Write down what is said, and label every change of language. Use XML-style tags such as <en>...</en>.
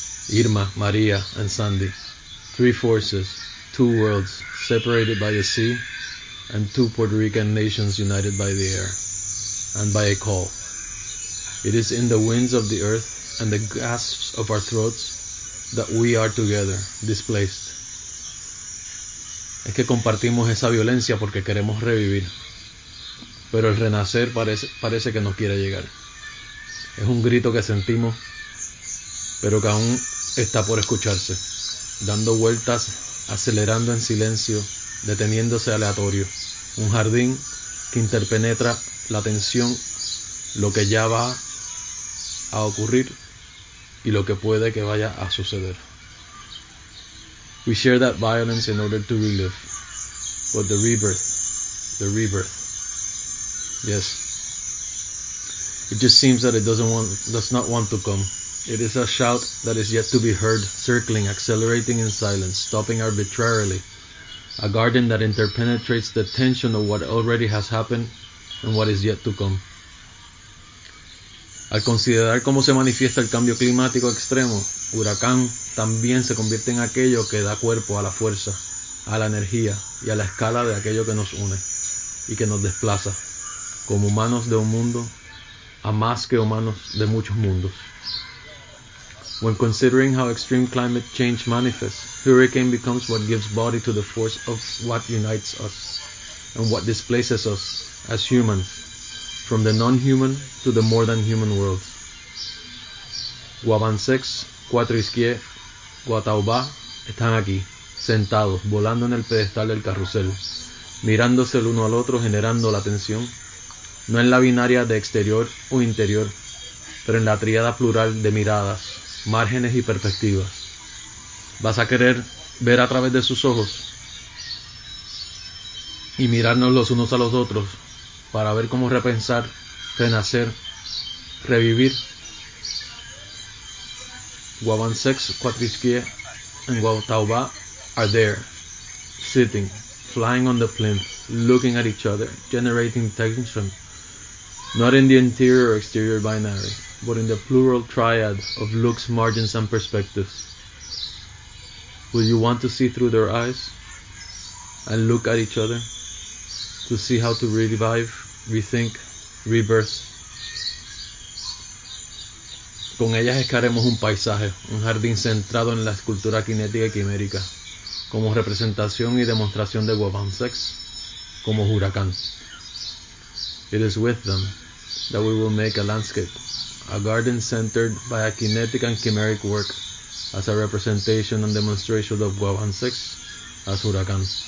<en>Irma, María and Sandy, three forces, two worlds separated by the sea and two Puerto Rican nations united by the air and by a call. It is in the winds of the earth and the gasps of our throats that we are together, displaced.</en> <es>Es que compartimos esa violencia porque queremos revivir, pero el renacer parece que no quiere llegar. Es un grito que sentimos, pero que aún está por escucharse, dando vueltas, acelerando en silencio, deteniéndose aleatorio. Un jardín que interpenetra la tensión, lo que ya va a ocurrir y lo que puede que vaya a suceder.</es> <en>We share that violence in order to relive, but the rebirth, yes, it just seems that it does not want to come. It is a shout that is yet to be heard, circling, accelerating in silence, stopping arbitrarily, a garden that interpenetrates the tension of what already has happened and what is yet to come.</en> <es>Al considerar cómo se manifiesta el cambio climático extremo, Huracán también se convierte en aquello que da cuerpo a la fuerza, a la energía y a la escala de aquello que nos une y que nos desplaza, como humanos de un mundo, a más que humanos de muchos mundos.</es> <en>When considering how extreme climate change manifests, hurricane becomes what gives body to the force of what unites us and what displaces us as humans, from the non-human to the more-than-human worlds. Wabansex, Cuatrisque,</en> <es>Guataubá están aquí, sentados, volando en el pedestal del carrusel, mirándose el uno al otro, generando la tensión, no en la binaria de exterior o interior, pero en la tríada plural de miradas, márgenes y perspectivas. ¿Vas a querer ver a través de sus ojos y mirarnos los unos a los otros para ver cómo repensar, renacer, revivir?</es> <en>Guavansex Quatrisquie and Guataubá are there, sitting, flying on the plinth, looking at each other, generating tension, not in the interior or exterior binary, but in the plural triad of looks, margins, and perspectives. Will you want to see through their eyes and look at each other to see how to revive, rethink, rebirth?</en> <es>Con ellas escaremos un paisaje, un jardín centrado en la escultura cinética y quimérica, como representación y demostración de Guavansex, como huracán.</es> <en>It is with them that we will make a landscape, a garden centered by a kinetic and chimeric work as a representation and demonstration of Guavansex as huracán.</en>